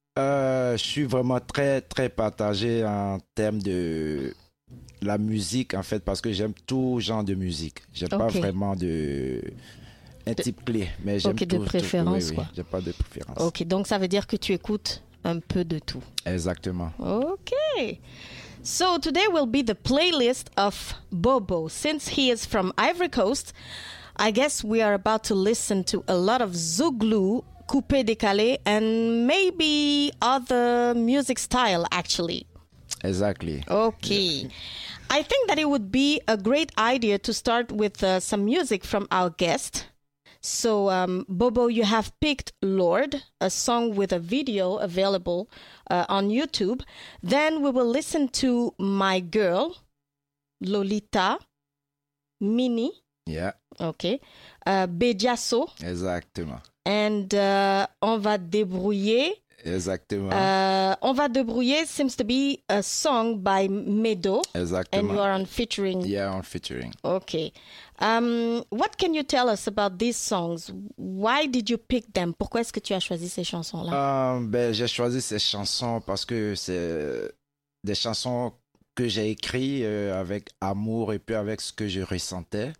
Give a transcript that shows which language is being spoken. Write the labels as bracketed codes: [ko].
[fr] Je suis vraiment très, très partagé en termes de la musique, en fait, parce que j'aime tout genre de musique. J'aime pas vraiment de... Un type clé, mais j'aime tout. Ok, de préférence, tout. Oui, j'ai pas de préférence. Ok, donc ça veut dire que tu écoutes un peu de tout. Exactement. Ok. [en] So, today will be the playlist of Bobo. Since he is from Ivory Coast, I guess we are about to listen to a lot of Zouglou, coupé décalé, and maybe other music style, actually. Exactly. Okay. Yeah. I think that it would be a great idea to start with some music from our guest. So, Bobo, you have picked Lord, a song with a video available on YouTube. Then we will listen to My Girl, Lolita, Mini. Yeah. Okay. Bediasso. [fr] Exactement. [en] And On Va Débrouiller. [fr] Exactement. [en] On Va Débrouiller seems to be a song by Medo. [fr] Exactement. [en] And you are on featuring. Yeah, on featuring. Okay. What can you tell us about these songs? Why did you pick them? [fr] Pourquoi est-ce que tu as choisi ces chansons-là? Ben, j'ai choisi ces chansons parce que c'est des chansons que j'ai écrites avec amour et puis avec ce que je ressentais.